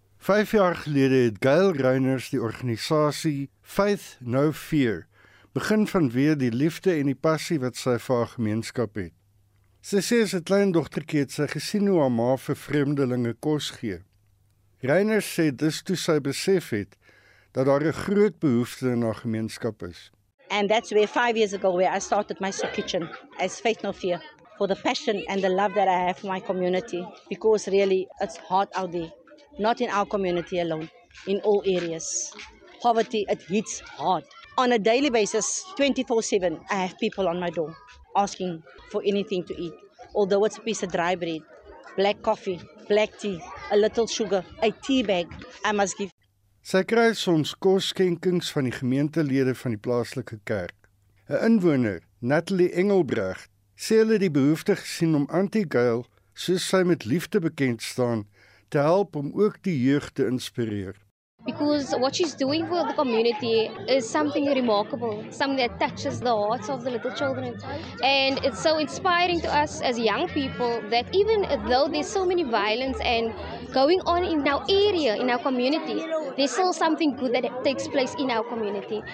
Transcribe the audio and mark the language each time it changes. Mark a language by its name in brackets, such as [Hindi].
[Afrikaans] 5 jaar gelede het Gail Reyners die organisasie Faith No Fear begin vanweer die liefde en die passie wat sy vir haar gemeenskap het. Sy sê sy klein dogtertjie het sy gesien hoe haar ma vir vreemdelinge kos gee. Reyners sê dis toe sy besef het dat daar 'n groot behoefte na gemeenskap is. [English] And that's where 5 years ago where I started my soup kitchen as Faith No Fear for the passion and the love that I have for my community, because really it's hard out there, not in our community alone, in all areas. Poverty, it hits hard. On a daily basis, 24/7, I have people on my door asking for anything to eat. Although it's a piece of dry bread, black coffee, black tea, a little sugar, a tea bag, I must give. [Afrikaans] Sy kry soms kosskenkings van die gemeentelede van die plaaslike kerk. 'N inwoner, Natalie Engelbrecht, sê hulle die behoefte gesien om Anti-Gail, soos sy met liefde bekend staan, te help om ook die jeug te inspireer. [English] Because what she's doing for the community is something remarkable, something that touches the hearts of the little children. And it's so inspiring to us as young people that even though there's so many violence and going on in our area, in our community, there's still something good that takes place in our community.